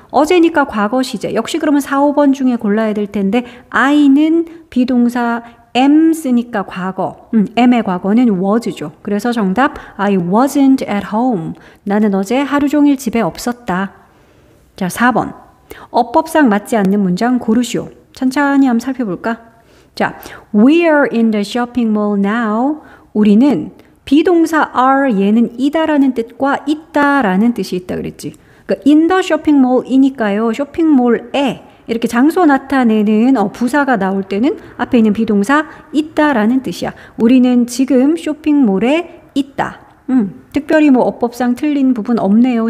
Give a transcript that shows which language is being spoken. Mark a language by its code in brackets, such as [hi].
[ko] 어제니까 과거 시제. 역시 그러면 4, 5번 중에 골라야 될 텐데 I는 비동사 am 쓰니까 과거. am의 과거는 was죠. 그래서 정답 [en] I wasn't at home. [ko] 나는 어제 하루 종일 집에 없었다. 자, 4번. 어법상 맞지 않는 문장 고르시오. 천천히 한번 살펴볼까? [en] 자, We are in the shopping mall now. [ko] 우리는 비동사 are, 얘는 이다라는 뜻과 있다라는 뜻이 있다 그랬지. 그러니까 [en] in the shopping mall [ko] 이니까요. 쇼핑몰에 이렇게 장소 나타내는 부사가 나올 때는 앞에 있는 비동사 있다라는 뜻이야. 우리는 지금 쇼핑몰에 있다. 특별히 뭐 어법상 틀린 부분 없네요.